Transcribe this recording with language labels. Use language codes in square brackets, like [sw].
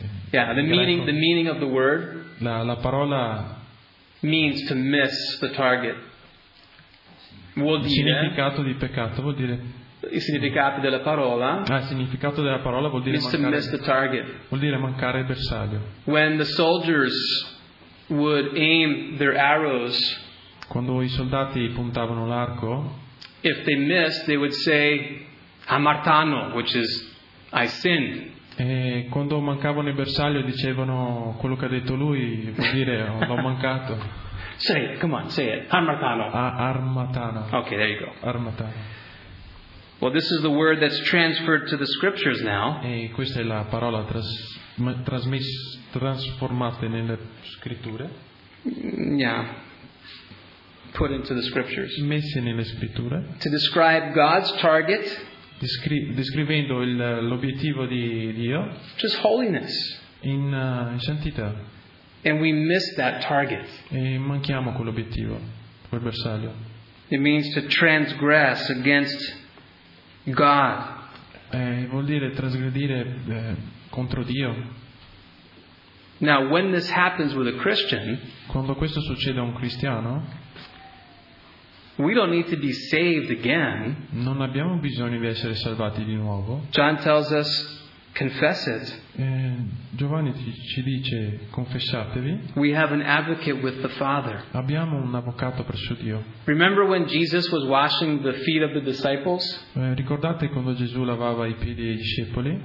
[en] Yeah, the meaning of the word. [it] La parola [en] means to miss the target. [it] Vuol dire, il significato di peccato vuol dire. Il significato della parola. Il significato della parola vuol dire [en] means [it] mancare. [en] To miss the target. [it] Vuol dire mancare il bersaglio. [en] When the soldiers would aim their arrows. [it] Quando i soldati puntavano l'arco. [en] If they missed, they would say "Hamartano," which is "I sinned." [it] E quando mancavano il bersaglio dicevano quello che ha detto lui, vuol dire l'ho mancato. [en] Say it, come on, say it. Armatano. [el] Armatano. [en] Okay, there you go. [el] Armatano. [en] Well, this is the word that's transferred to the scriptures now. [it] E questa è la parola trasformata nelle scritture. [en] Yeah. Put into the scriptures. [it] Messe nelle scritture. [en] To describe God's target. [it] Descrivendo l'obiettivo di Dio, [en] just holiness, [it] in santità, [en] and we miss that target. [it] E manchiamo quell'obiettivo, quel bersaglio. [en] It means to transgress against God. [it] Vuol dire trasgredire contro Dio. [en] Now, when this happens with a Christian, [it] quando questo succede a un cristiano. [en] We don't need to be saved again. [it] Non abbiamo bisogno di essere salvati di nuovo. [en] John tells us, confess it. [it] Giovanni ci dice, confessatevi. [en] We have an advocate with the Father. [it] Abbiamo un avvocato presso Dio. [en] Remember when Jesus was washing the feet of the disciples? [it] Ricordate quando Gesù lavava i piedi ai discepoli?